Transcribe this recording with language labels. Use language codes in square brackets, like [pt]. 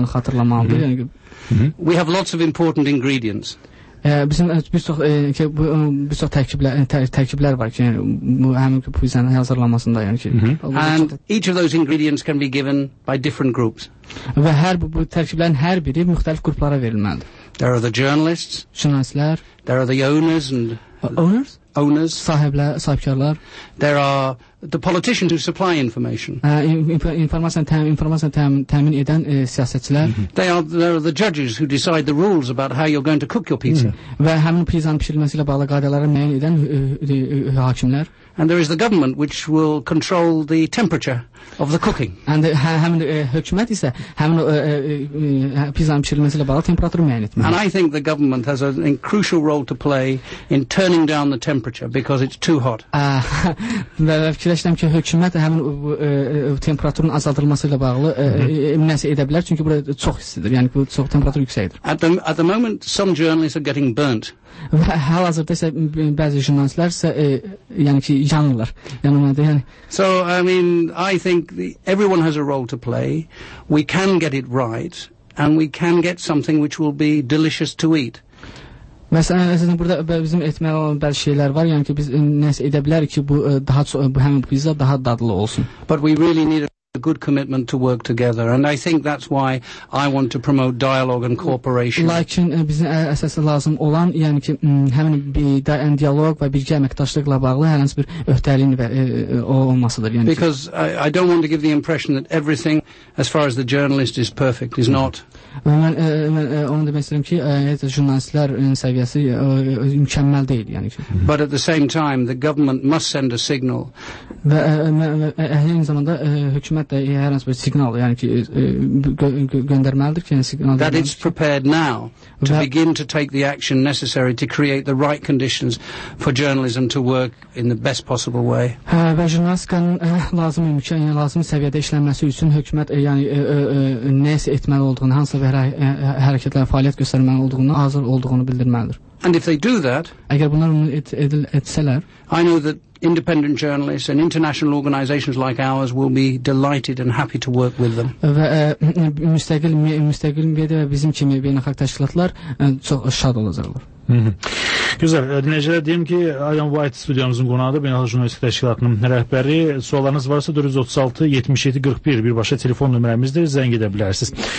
[en] We have lots of important ingredients. [az] Bizim bir çox tərkiblər var ki, yəni bu həmin pizzanın hazırlanmasında, yəni ki. [en] And each of those ingredients can be given by different groups. [az] Və hər bu tərkiblərin hər biri müxtəlif qruplara verilməlidir. [en] There are the journalists. [az] Jurnalistlər. [en] There are the owners and [az] owners. Sahiblər, sahibkarlar. [en] There are the politicians who supply information. [az] Informasiya təmin edən siyasətçilər. [en] There are the judges who decide the rules about how you're going to cook your pizza. [az] Və həmin pizzanın bişirilməsi ilə bağlı qaydaları müəyyən edən hakimlər. [en] And there is the government which will control the temperature of the cooking. [az] And həmin hökumət isə həmin pizzanın bişirilməsi ilə bağlı temperaturu müəyyən etməlidir. [en] And I think the government has a crucial role to play in turning down the temperature because it's too hot. [az] Fikirləşirəm ki, hökumət həmin temperaturun azaldılması ilə bağlı nəsə edə bilər, çünki burada çox istidir, yəni bu çox temperatur yüksəkdir. [en] At the moment, some journalists are getting burnt. [az] Hal-hazırda isə bəzi jurnalistlər isə yəni ki, yanırlar. Yəni. [en] So, I mean, I think everyone has a role to play. We can get it right, and we can get something which will be delicious to eat. [az] Məsələn, əslində burada bizim etməli olan bəzi şeylər var, yəni ki, biz nəsə edə bilərik ki, bu daha çox bu həmin pizza daha dadlı olsun. [en] But we really need a good commitment to work together, and I think that's why I want to promote dialogue and cooperation. [az] Lakin bizim əsas lazım olan, yəni ki, həmin bir dialog və birgə əməkdaşlıqla bağlı hər hansı bir öhdəliyin olmasıdır. Yəni [en] because I don't want to give the impression that everything as far as the journalist is perfect is not. [az] Və mən onu demək istəyirəm ki, jurnalistlər səviyyəsi mükəmməl deyil, yəni ki. [en] But at the same time, the government must send a signal. [az] Və eyni zamanda hökumət də hər hansı bir signal, yəni ki, göndərməlidir ki, signal [en] that it's prepared now to begin to take the action necessary to create the right conditions for journalism to work in the best possible way. [az] Və jurnalistikanın lazım imkan, yəni lazım səviyyədə işlənməsi üçün hökumət yəni nəsə etməli olduğunu, hansı və hərəkətlər fəaliyyət göstərməli olduğunu, hazır olduğunu bildirməlidir. [en] And if they do that, [az] əgər bunlar bunu etsələr, [en] I know that independent journalists and international organizations like ours will be delighted and happy to work with them. [az] Və müstəqil media və bizim kimi beynəlxalq təşkilatlar çox şad olacaqlar. Güzel. Dinleyiciler deyim ki, Adam White stüdyomuzun qonağıdır. Beynəlxalq Jurnalistik Təşkilatının rəhbəri. Suallarınız varsa 436-7741 birbaşa telefon nömrəmizdir. Zəng edə bilərsiniz.